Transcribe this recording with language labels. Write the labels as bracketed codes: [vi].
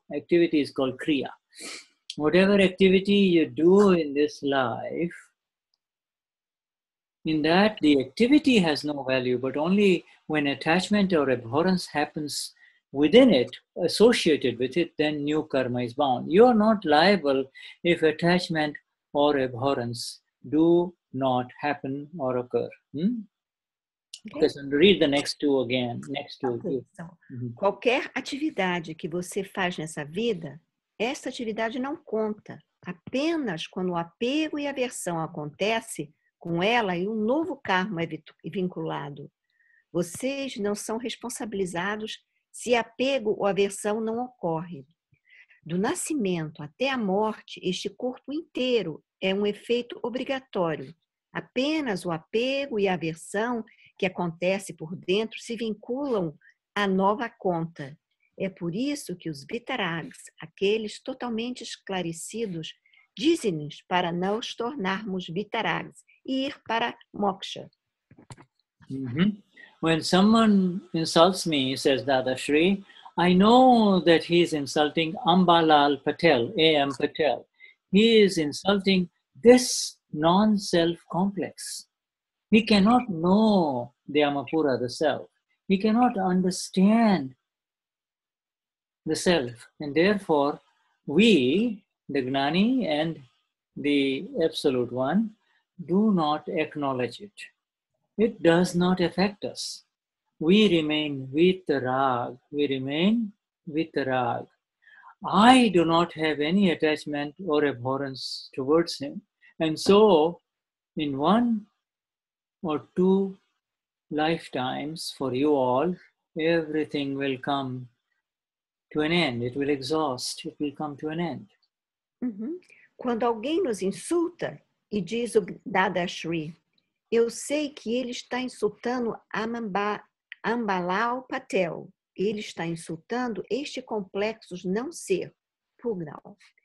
[en] Activity is called kriya. Whatever activity you do in this life, in that the activity has no value, but only when attachment or abhorrence happens within it, associated with it, then new karma is bound. You are not liable if attachment or abhorrence do not happen or occur. Hmm? Okay. Because read the next two again. Next two. [pt] Qualquer atividade que você faz nessa vida, essa atividade não conta. Apenas quando o apego e aversão acontece com ela e um novo karma é vinculado. Vocês não são responsabilizados se apego ou aversão não ocorre. Do nascimento até a morte, este corpo inteiro é um efeito obrigatório. Apenas o apego e a aversão que acontece por dentro se vinculam à nova conta. É por isso que os Vitaragas, aqueles totalmente esclarecidos, dizem-nos para não nos tornarmos Vitaragas e ir para Moksha. Uh-huh. [en] When someone insults me, says Dada Shri, I know that he is insulting Ambalal Patel, A.M. Patel. He is insulting this non-self complex. He cannot know the Amapura, the self. He cannot understand the self. And therefore, we, the Gnani and the Absolute One, do not acknowledge it. It does not affect us. We remain Vitarag. We remain Vitarag. I do not have any attachment or abhorrence towards him. And so, in one or two lifetimes for you all, everything will come to an end. It will exhaust. It will come to an end. Uhum. [pt] Quando alguém nos insulta e diz o Dada Shri, eu sei que ele está insultando Ambalal Patel. Ele está insultando este complexo não ser, Pugnal.